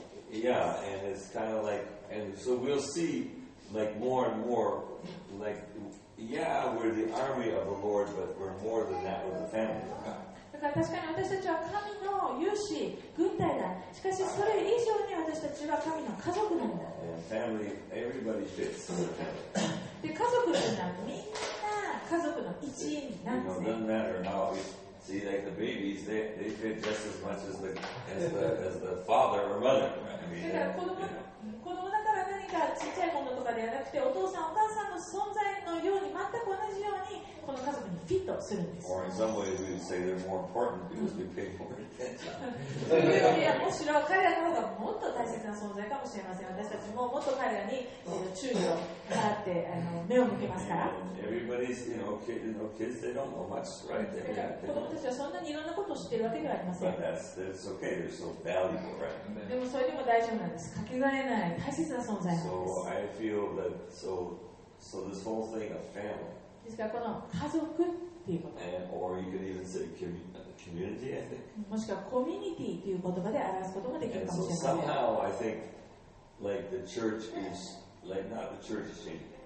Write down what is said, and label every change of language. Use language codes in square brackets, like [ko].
[en] yeah, and it's kind of like, and so we'll see like more and more, like, yeah, we're the army of the Lord, but we're more than that, we're the family of God. [ja] だから確かに私たちは神の勇士、軍隊だ。しかしそれ以上に私たちは神の家族なんだ。 [en] Family, everybody fits. [ja] で、家族というのはみんな家族の一員なんですね。 [en] It doesn't matter how we see like the babies, they fit just as much as the father or mother. [ja] だから子供だから何かちっちゃいものとかではなくて、お父さんお母さんの存在のように全く同じようにこの家族にフィットするんです。 [en] Or in some way we would say they're more important because we pay more attention. [ja] いや、むしろ彼らの方がもっと大切な存在かもしれません。私たちももっと彼らに注意を払って目を向けますから。 [en] Everybody's you know kids, you know, kids they don't know much, right? They don't know. [ja] 子供たちはそんなにいろんなことを知っているわけではありません。 [en] But that's okay. They're so valuable, right? [ja] でもそれでも大丈夫なんです。かけがえない大切な存在なんです。 [en] So I feel that so this whole thing of family. [ja] ですからこの家族っていうこと。 [en] And, or you could even say community, I think. [ja] もしくはコミュニティという言葉で表すこともできるかもしれません。 [en] And so somehow I think like the church is like not the church is changing.